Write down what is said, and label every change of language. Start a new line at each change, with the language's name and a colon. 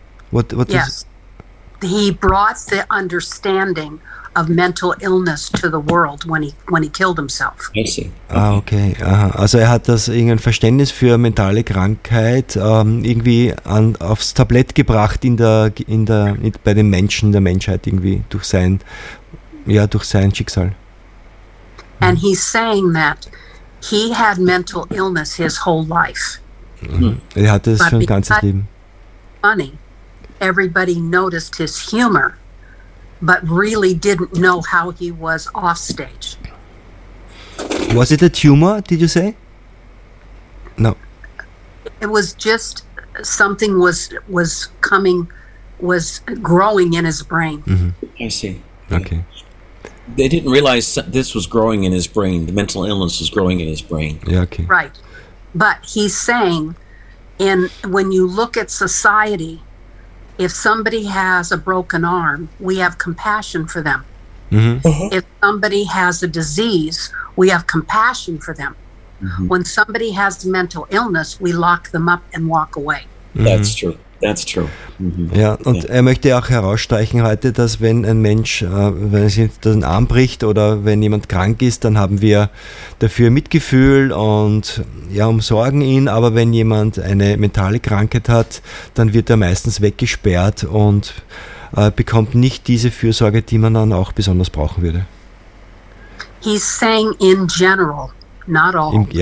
English: What yes. Is it? He brought the understanding of mental illness to the world when he killed himself. I see. Okay. Ah, okay. Aha.
German: Also er hat das irgendein Verständnis für mentale Krankheit irgendwie aufs Tablett gebracht bei den Menschen, der Menschheit irgendwie durch sein Schicksal.
English: And he's saying that he had mental illness his whole life.
German: Er hatte es schon ganzes Leben.
English: Funny, everybody noticed his humor, but really didn't know how he was off stage. Was it a tumor, did you say? No. It was just something was growing in his brain. Mm-hmm. I see. Okay. They didn't realize this was growing in his brain. The mental illness was growing in his brain. Yeah, okay. Right. But he's saying, when you look at society, if somebody has a broken arm, we have compassion for them. Mm-hmm. Uh-huh. If somebody has a disease, we have compassion for them. Mm-hmm. When somebody has mental illness, we lock them up and walk away. Mm-hmm. That's true. That's true.
German: Mm-hmm. Ja, und yeah. Er möchte auch herausstreichen heute, dass wenn ein Mensch, wenn es den Arm bricht oder wenn jemand krank ist, dann haben wir dafür Mitgefühl und ja, umsorgen ihn. Aber wenn jemand eine mentale Krankheit hat, dann wird er meistens weggesperrt und bekommt nicht diese Fürsorge, die man dann auch besonders brauchen würde.
English: He's saying in general, not all.